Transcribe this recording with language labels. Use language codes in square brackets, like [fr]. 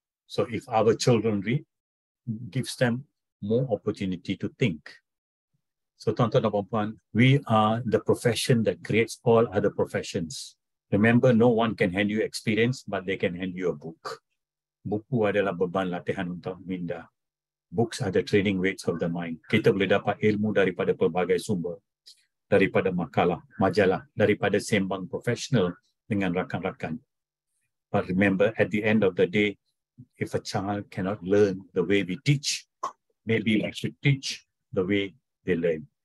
[en] So if our children read, gives them more opportunity to think. So [ms] tuan-tuan dan puan-puan, [en] we are the profession that creates all other professions. Remember, no one can hand you experience, but they can hand you a book. [ms] Buku adalah beban latihan untuk minda. [en] Books are the training weights of the mind. [ms] Kita boleh dapat ilmu daripada pelbagai sumber. Daripada makalah, majalah, daripada sembang profesional dengan rakan-rakan. [en] But remember, at the end of the day, if a child cannot learn the way we teach, maybe we should teach the way they learn.